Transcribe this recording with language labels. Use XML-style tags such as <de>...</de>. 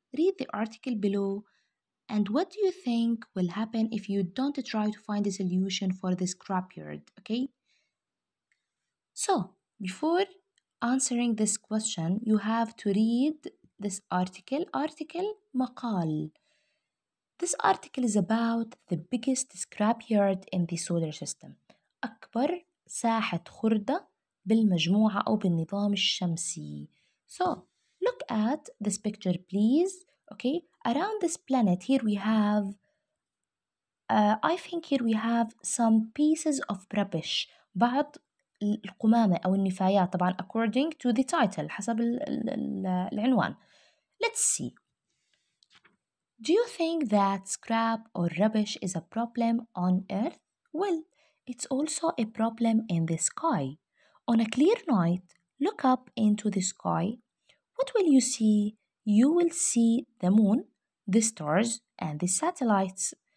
<en>Read the article below. And what do you think will happen if you don't try to find a solution for the scrapyard? Okay? So, before answering this question, you have to read this article. Article maqal. This article is about the biggest scrapyard in the solar system.</en> <ar>أكبر ساحة خردة بالمجموعة أو بالنظام الشمسي.</ar> <en>So, look at this picture, please. Okay, around this planet, here we have, here we have some pieces of rubbish.</en> <ar>بعض القمامة أو النفايات, طبعا, according to the title, حسب العنوان.</ar> <en>Let's see. Do you think that scrap or rubbish is a problem on Earth? Well, it's also a problem in the sky. On a clear night, look up into the sky. What will you see? You will see the moon, the stars, and the satellites.</en>